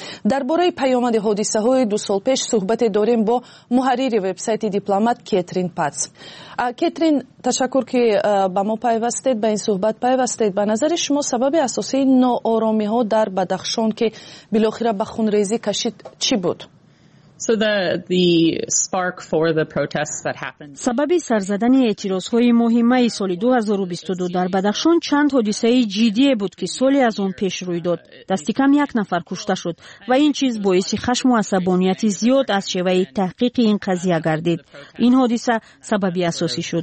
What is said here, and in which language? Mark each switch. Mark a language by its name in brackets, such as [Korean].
[Persian] درباره پیامد حادثه های دو سال پیش صحبت داریم با محرر وبسایت دیپلمات کترین پاتس. کترین، تشکر که با ما پیوستید، با این صحبت پیوستید. به نظر شما سبب اساسی ناآرامی ها در بدخشان که بالاخره به خونریزی کشید چی بود؟ [English] So the spark for the protests that happened. [Persian] سببی سرزدن اعتراض‌های مهمه سال 2022 در بدخشان چند حادثه جدی بود که سالی از آن پیش روی داد. دست کم یک نفر کشته شد و این چیز باعث خشم و عصبانیت زیاد از شیوه تحقیق این قضیه گردید. این حادثه سببی اساسی شد.